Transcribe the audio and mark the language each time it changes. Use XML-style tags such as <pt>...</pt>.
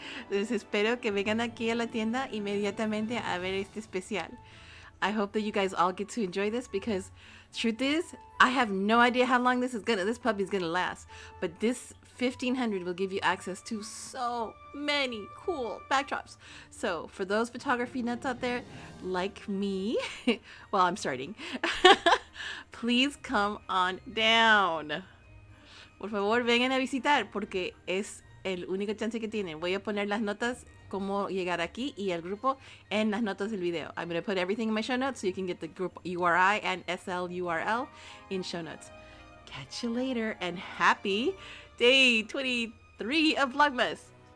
<es>Les espero que vengan aquí a la tienda inmediatamente a ver este especial.</es> <en>I hope that you guys all get to enjoy this, because truth is, I have no idea how long this puppy is gonna last. But this 1500 will give you access to so many cool backdrops. So for those photography nuts out there, like me, well, I'm starting. Please come on down.</en> <es>Por favor, vengan a visitar porque es el único chance que tienen. Voy a poner las notas cómo llegar aquí y el grupo en las notas del video.</es> <en>I'm going to put everything in my show notes so you can get the group URI and SL URL in show notes. Catch you later and happy day 23 of Vlogmas.</en>